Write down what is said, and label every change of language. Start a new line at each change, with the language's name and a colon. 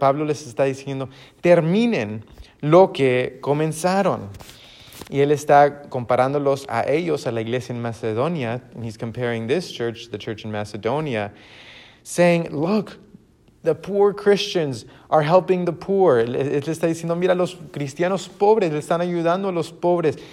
Spanish: Pablo les está diciendo, terminen lo que comenzaron. Y él está comparándolos a ellos, a la iglesia en Macedonia.
English: And he's comparing this church, the church in Macedonia, saying, look, the poor Christians are helping the poor.
Spanish: Él está diciendo, mira, los cristianos pobres le están ayudando a los pobres.